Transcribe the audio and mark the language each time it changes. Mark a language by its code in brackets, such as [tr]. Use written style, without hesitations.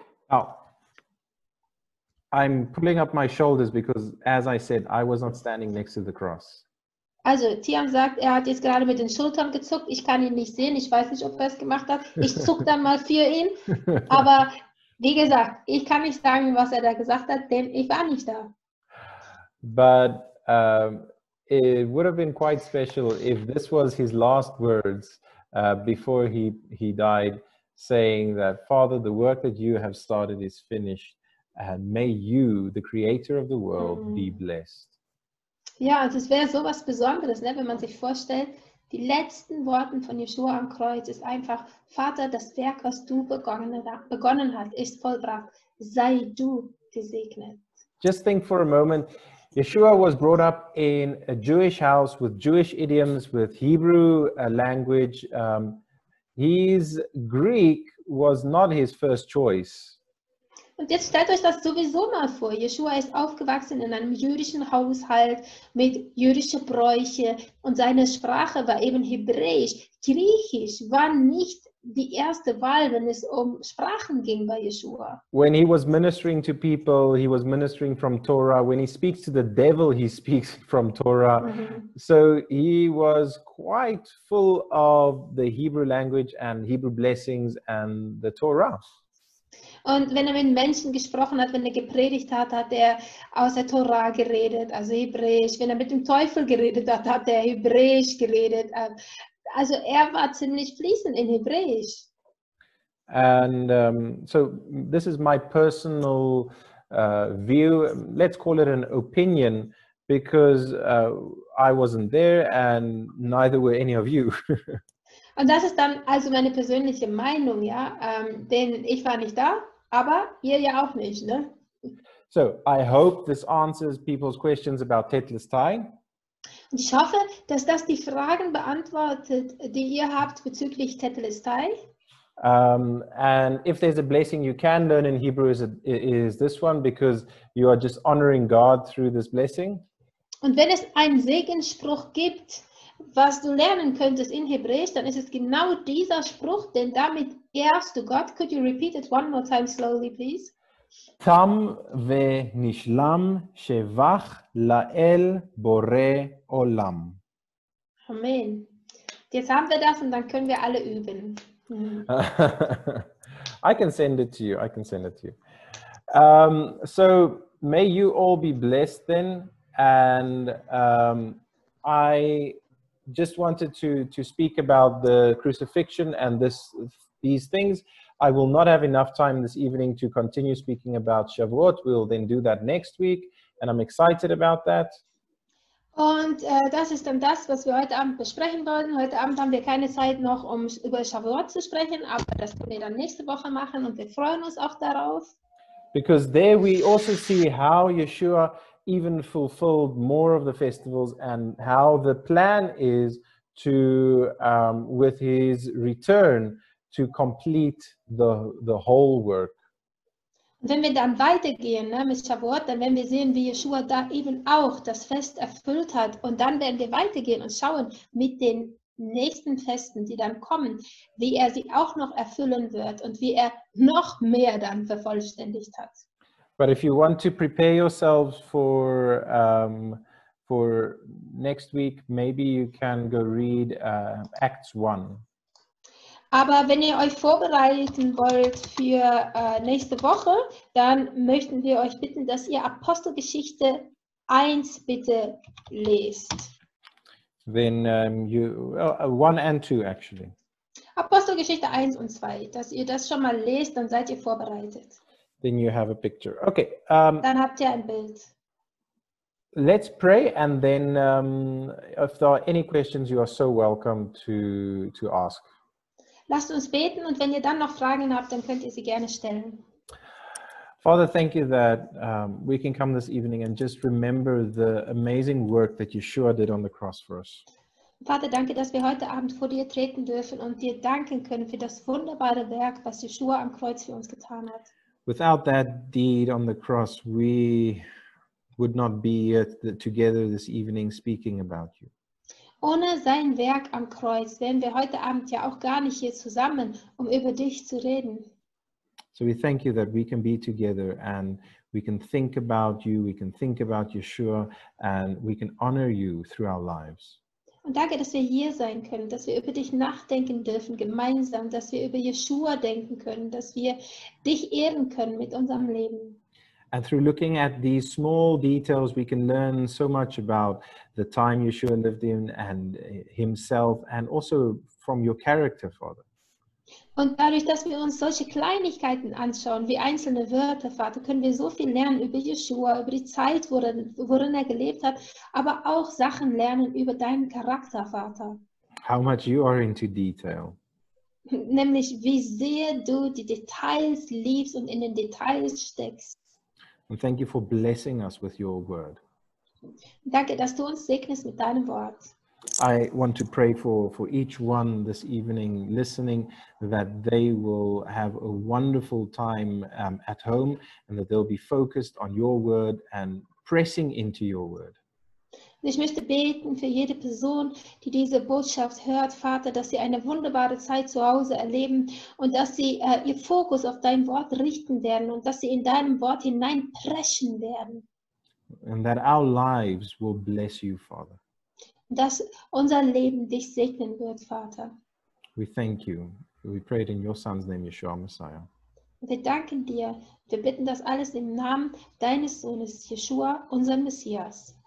[en] Oh. I'm pulling up my shoulders because, as I said, I was not standing next to the cross. [de] Also, Tiam sagt, er hat jetzt gerade mit den Schultern gezuckt. Ich kann ihn nicht sehen. Ich weiß nicht, ob er es gemacht hat. Ich zuck dann mal für ihn. Aber wie gesagt, ich kann nicht sagen, was er da gesagt hat, denn ich war nicht da. [en] But it would have been quite special if this was his last words before he died, saying that, Father, the work that you have started is finished, and may you, the creator of the world, be blessed. [de] Ja, also es wäre sowas Besonderes, ne, wenn man sich vorstellt, die letzten Worte von Yeshua am Kreuz ist einfach, Vater, das Werk, was du begonnen hast, ist vollbracht. Sei du gesegnet. [en] Just think for a moment. Yeshua was brought up in a Jewish house with Jewish idioms, with Hebrew language. His Greek was not his first choice. [de] Und jetzt stellt euch das sowieso mal vor. Yeshua ist aufgewachsen in einem jüdischen Haushalt mit jüdischen Bräuchen und seine Sprache war eben Hebräisch. Griechisch war nicht die erste Wahl, wenn es um Sprachen ging bei Yeshua. [en] When he was ministering to people, he was ministering from Torah. When he speaks to the devil, he speaks from Torah. So he was quite full of the Hebrew language and Hebrew blessings and the Torah. [de] Und wenn er mit Menschen gesprochen hat, wenn er gepredigt hat, hat er aus der Torah geredet, also Hebräisch. Wenn er mit dem Teufel geredet hat, hat er Hebräisch geredet. Also er war ziemlich fließend in Hebräisch. [en] And so this is my personal view, let's call it an opinion, because I wasn't there and neither were any of you. [de] Und das ist dann also meine persönliche Meinung, ja, denn ich war nicht da, aber ihr ja auch nicht, ne? [en] So, I hope this answers people's questions about Tetelestai. [de] Und ich hoffe, dass das die Fragen beantwortet, die ihr habt bezüglich Tetelestai. [en] And if there's a blessing you can learn in Hebrew, is this one, because you are just honoring God through this blessing. [de] Und wenn es einen Segensspruch gibt, was du lernen könntest in Hebräisch, dann ist es genau dieser Spruch, denn damit ehrst du Gott. [en] Could you repeat it one more time slowly, please? [he] Tam ve nishlam shevach la'el bore olam. [en] Amen. [de] Jetzt haben wir das und dann können wir alle üben. [en] I can send it to you. I can send it to you. So may you all be blessed then. And I just wanted to speak about the crucifixion and these things. I will not have enough time this evening to continue speaking about Shavuot. We'll then do that next week. And I'm excited about that. [de] Und das ist dann das, was wir heute Abend besprechen wollen. Heute Abend haben wir keine Zeit noch, um über Shavuot zu sprechen, aber das können wir dann nächste Woche machen und wir freuen uns auch darauf. [en] Because there we also see how Yeshua even fulfilled more of the festivals and how the plan is to, with his return, to complete the whole work. [de] Wenn wir dann weitergehen, ne, mit Shavuot, dann werden wir sehen, wie Yeshua da eben auch das Fest erfüllt hat. Und dann werden wir weitergehen und schauen mit den nächsten Festen, die dann kommen, wie er sie auch noch erfüllen wird und wie er noch mehr dann vervollständigt hat. [en] But if you want to prepare yourselves for next week, maybe you can go read Acts 1. [de] Aber wenn ihr euch vorbereiten wollt für nächste Woche, dann möchten wir euch bitten, dass ihr Apostelgeschichte 1 bitte lest. [en] Then you 1 and 2 actually. [de] Apostelgeschichte 1 und 2, dass ihr das schon mal lest, dann seid ihr vorbereitet. [en] Then you have a picture. Okay. [de] Dann habt ihr ein Bild. [en] Let's pray and then if there are any questions, you are so welcome to ask. [de] Lasst uns beten und wenn ihr dann noch Fragen habt, dann könnt ihr sie gerne stellen. [en] Father, thank you that we can come this evening and just remember the amazing work that Yeshua did on the cross for us. [de] Vater, danke, dass wir heute Abend vor dir treten dürfen und dir danken können für das wunderbare Werk, was Yeshua am Kreuz für uns getan hat. [en] Without that deed on the cross, we would not be together this evening speaking about you. [de] Ohne sein Werk am Kreuz wären wir heute Abend ja auch gar nicht hier zusammen, um über dich zu reden. [en] So we thank you that we can be together and we can think about you, we can think about Yeshua and we can honor you through our lives. [de] Und danke, dass wir hier sein können, dass wir über dich nachdenken dürfen gemeinsam, dass wir über Yeshua denken können, dass wir dich ehren können mit unserem Leben. [en] And through looking at these small details, we can learn so much about the time Yeshua lived in and himself and also from your character, Father. [de] Und dadurch, dass wir uns solche Kleinigkeiten anschauen, wie einzelne Wörter, Vater, können wir so viel lernen über Yeshua, über die Zeit, worin er gelebt hat, aber auch Sachen lernen über deinen Charakter, Vater. [en] How much you are into detail. [de] Nämlich, wie sehr du die Details liebst und in den Details steckst. [en] And thank you for blessing us with your word. [de] Danke, dass du uns segnest mit deinem Wort. [en] I want to pray for each one this evening listening, that they will have a wonderful time at home, and that they'll be focused on your word and pressing into your word. [de] Ich möchte beten für jede Person, die diese Botschaft hört, Vater, dass sie eine wunderbare Zeit zu Hause erleben und dass sie ihr Fokus auf dein Wort richten werden und dass sie in deinem Wort hineinpreschen werden. [en] And that our lives will bless you, Father. [de] Dass unser Leben dich segnen wird, Vater. [en] We thank you. We pray it in your son's name, Yeshua Messiah. [de] Wir danken dir. Wir bitten das alles im Namen deines Sohnes, Yeshua, unser Messias.